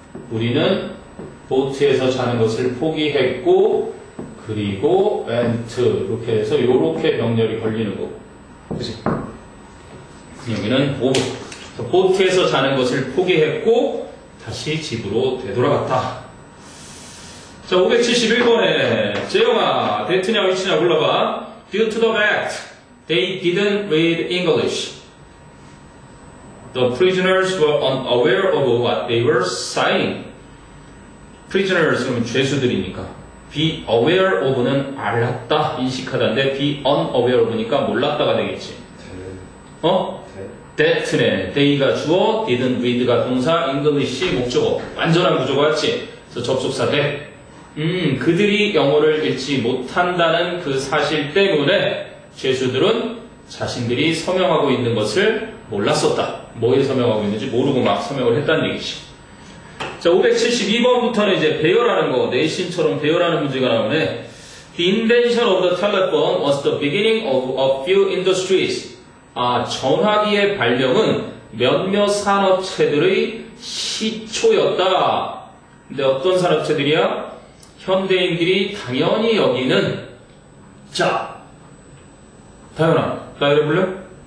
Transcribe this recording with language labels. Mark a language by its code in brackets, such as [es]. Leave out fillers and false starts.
[ko] 우리는 보트에서 자는 것을 포기했고 그리고 went 이렇게 해서 이렇게 명렬이 걸리는 거고. 그치? 여기는 오브. 보트에서 자는 것을 포기했고 다시 집으로 되돌아갔다. 자, 571번에 재영아, 데트냐 위치냐 불러봐. [en] Due to the fact they didn't read English, the prisoners were unaware of what they were saying. [ko] Prisoners 그러면 죄수들이니까 be aware of는 알았다, 인식하다인데 be unaware of니까 몰랐다가 되겠지. 어? That네. They가 주어, didn't read가 동사, English 목적어. 완전한 구조가 같지. 그래서 접속사 대. 그들이 영어를 읽지 못한다는 그 사실 때문에 죄수들은 자신들이 서명하고 있는 것을 몰랐었다. 뭐에 서명하고 있는지 모르고 막 서명을 했다는 얘기지. 자, 572번부터는 이제 배열하는 거, 내신처럼 배열하는 문제가 나오네. [en] The invention of the telephone was the beginning of a few industries. [ko] 아, 전화기의 발명은 몇몇 산업체들의 시초였다. 근데 어떤 산업체들이야? 현대인들이 당연히 여기는. 자, 다현아, 나 이래볼래?